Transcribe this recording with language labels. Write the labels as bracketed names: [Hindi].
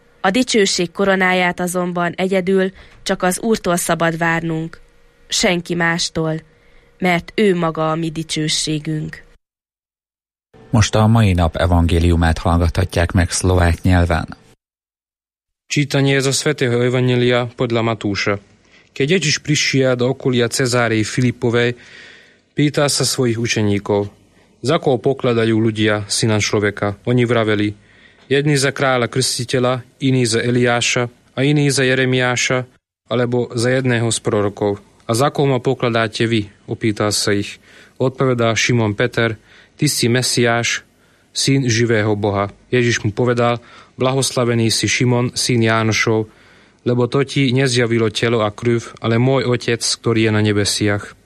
[Hungarian] A dicsőség koronáját azonban egyedül csak az Úrtól szabad várnunk, senki mástól, mert ő maga a mi dicsőségünk. Most a mai nap evangéliumát hallgathatják meg szlovák nyelven. [Slovak] Čítanie zo svätého evanjelia podľa Matúša. Keď Ježiš prišiel do okolia Cezárii Filipovej, pýta sa svojich učeníkov, za koho pokladajú ľudia syna človeka. Oni vraveli, jedni za kráľa krstiteľa, iní za Eliáša a iní za Jeremiáša, alebo za jedného z prorokov. A za koho ma pokladáte vy? Opýtal sa ich. Odpovedá Šimon Peter, ty si Mesiáš, syn živého Boha. Ježiš mu povedal, blahoslavený si Šimon, syn Jánošov, lebo to ti nezjavilo telo a krv, ale môj otec, ktorý je na nebesiach.